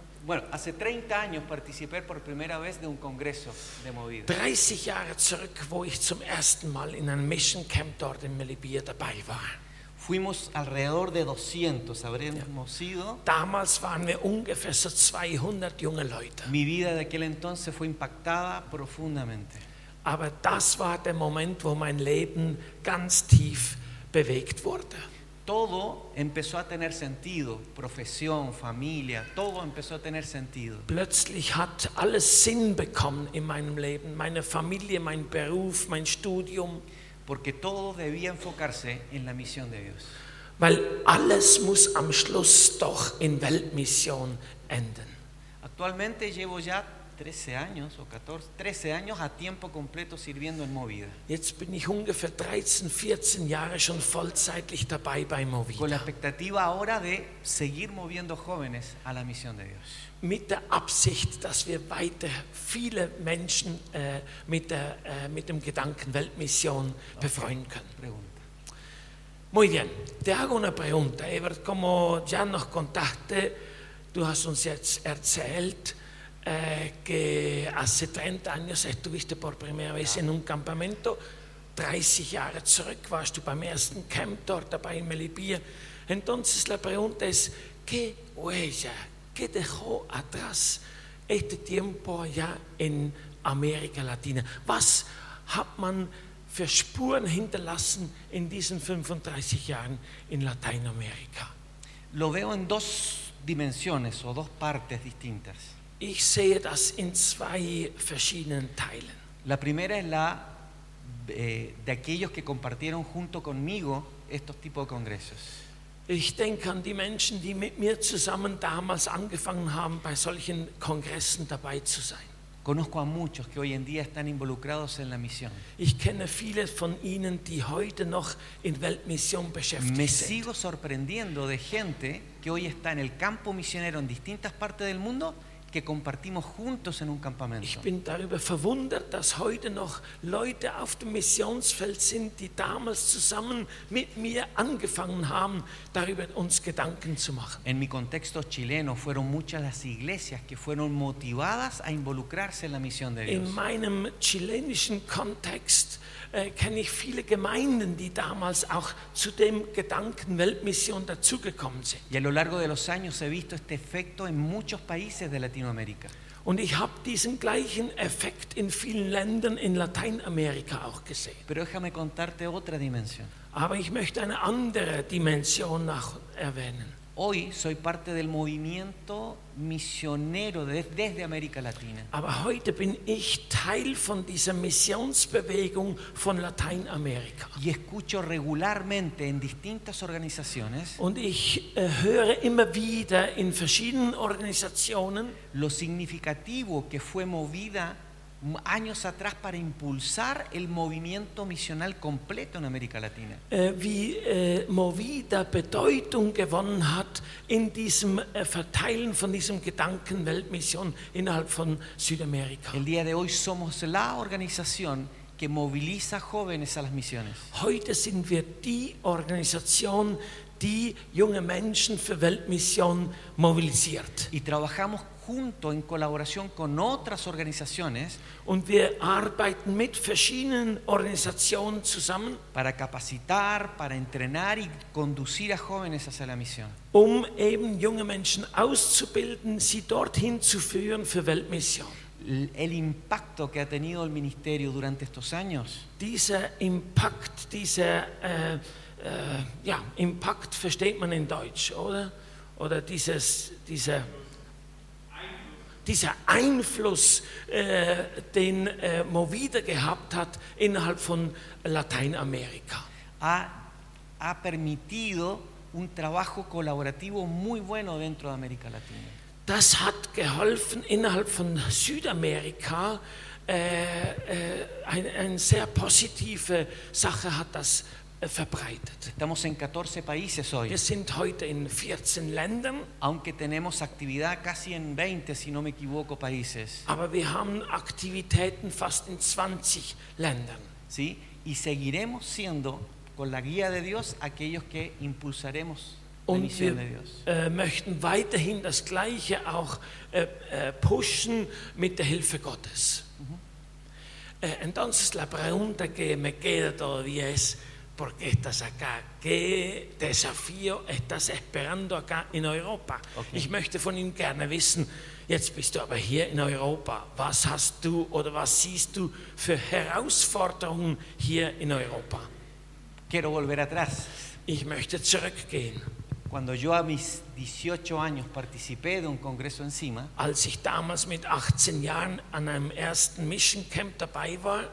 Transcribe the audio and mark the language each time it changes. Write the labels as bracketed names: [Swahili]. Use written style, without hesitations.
[Spanish] Bueno, hace 30 años participé por primera vez de un congreso de Movida. [German] 30 Jahre zurück, wo ich zum ersten Mal in einem Mission Camp dort in Melipilla dabei war. [Spanish] Fuimos alrededor de 200, habremos sido. [German] Damals waren wir ungefähr so 200 junge Leute. [Spanish] Mi vida de aquel entonces fue impactada profundamente. [German] Aber das war der Moment, wo mein Leben ganz tief bewegt wurde. [Spanish] Todo empezó a tener sentido, profesión, familia, todo empezó a tener sentido. [German] Plötzlich hat alles Sinn bekommen in meinem Leben, meine Familie, mein Beruf, mein Studium. [Spanish] Porque todo debía enfocarse en la misión de Dios. [German] Weil alles muss am Schluss doch in Weltmission enden. [Spanish] Actualmente llevo ya 13 años a tiempo completo sirviendo en Movida. [German] Jetzt bin ich ungefähr 13, 14 Jahre schon vollzeitlich dabei bei Movida. [Spanish] Con la expectativa ahora de seguir moviendo jóvenes a la misión de Dios. [German] Mit der Absicht, dass wir weiter viele Menschen mit dem Gedanken Weltmission befreien können. [Spanish] Pregunta. Muy bien. Te hago una pregunta, Evert. Como ya nos contaste, [German] du hast uns jetzt erzählt, [Spanish] que hace 30 años estuviste por primera vez en un campamento. [German] 30 Jahre zurück warst du beim ersten Camp dort dabei in Melipilla. [Spanish] Entonces la pregunta es, ¿qué huella ¿Qué dejó atrás este tiempo allá en América Latina? [German] Was hat man für Spuren hinterlassen in diesen 35 Jahren in Lateinamerika? [Spanish] Lo veo en dos dimensiones o dos partes distintas. [German] Ich sehe das in zwei verschiedenen Teilen. [Spanish] La primera es la de aquellos que compartieron junto conmigo estos tipos de congresos. [German] Ich denke an die Menschen, die mit mir zusammen damals angefangen haben, bei solchen Kongressen dabei zu sein. [Spanish] Conozco a muchos que hoy en día están involucrados en la misión. [German] Ich kenne viele von ihnen, die heute noch in Weltmission beschäftigt sind. [Spanish] Me sigo sorprendiendo de gente que hoy está en el campo misionero en distintas partes del mundo que compartimos juntos en un campamento. [German] Ich bin darüber verwundert, dass heute noch Leute auf dem Missionsfeld sind, die damals zusammen mit mir angefangen haben, darüber uns Gedanken zu machen. [Spanish] En mi contexto chileno fueron muchas las iglesias que fueron motivadas a involucrarse en la misión de Dios. [German] In meinem chilenischen Kontext kenne ich viele Gemeinden, die damals auch zu dem Gedanken Weltmission dazugekommen sind. [Spanish] Y a lo largo de los años he visto este efecto en muchos países de Latinoamérica. [German] Und ich habe diesen gleichen Effekt in vielen Ländern in Lateinamerika auch gesehen. [Spanish] Pero déjame contarte otra dimensión. [German] Aber ich möchte eine andere Dimension noch erwähnen. [Spanish] Hoy soy parte del movimiento misionero desde América Latina. [German] Aber heute bin ich Teil von dieser Missionsbewegung von Lateinamerika. [Spanish] Y escucho regularmente en distintas organizaciones. [German] Und ich höre immer wieder in verschiedenen Organisationen [Spanish] lo significativo que fue movida años atrás para impulsar el movimiento misional completo en América Latina. [German] Movida Bedeutung gewonnen hat in diesem Verteilen von diesem Gedanken Weltmission innerhalb von Südamerika. [Spanish] El día de hoy somos la organización que moviliza jóvenes a las misiones. [German] Heute sind wir die Organisation, die junge Menschen für Weltmission mobilisiert. [Spanish] Y trabajamos junto en colaboración con otras organizaciones [German] und wir arbeiten mit verschiedenen Organisationen zusammen [Spanish] para capacitar, para entrenar y conducir a jóvenes hacia la misión. [German] Um eben junge Menschen auszubilden, sie dorthin zu führen für Weltmission. [Spanish] El impacto que ha tenido el ministerio durante estos años. [German] Dieser Impact, dieser Impact versteht man in Deutsch, oder? Oder dieser Einfluss, den Movida gehabt hat innerhalb von Lateinamerika. [Spanish] Ha permitido un trabajo colaborativo muy bueno dentro de América Latina. [German] Das hat geholfen, innerhalb von Südamerika eine sehr positive Sache hat das verbreitet. [Spanish] Estamos en 14 países hoy. [German] Wir sind heute in 14 Ländern. [Spanish] Aunque tenemos actividad casi en 20, si no me equivoco, países. [German] Aber wir haben Aktivitäten fast in 20 Ländern. [Spanish] Sí, y seguiremos siendo con la guía de Dios aquellos que impulsaremos la misión de Dios. [German] Und wir möchten weiterhin das Gleiche auch pushen mit der Hilfe Gottes. [Spanish] Entonces la pregunta que me queda todavía es: ¿Por qué estás acá? ¿Qué desafío estás esperando acá en Europa? [German] Okay. Ich möchte von Ihnen gerne wissen, jetzt bist du aber hier in Europa. Was hast du oder was siehst du für Herausforderungen hier in Europa? [Spanish] Quiero volver atrás. [German] Ich möchte zurückgehen. [Spanish] Cuando yo a mis 18 años participé de un congreso en CIMA, [German] als ich damals mit 18 Jahren an einem ersten Mission Camp dabei war,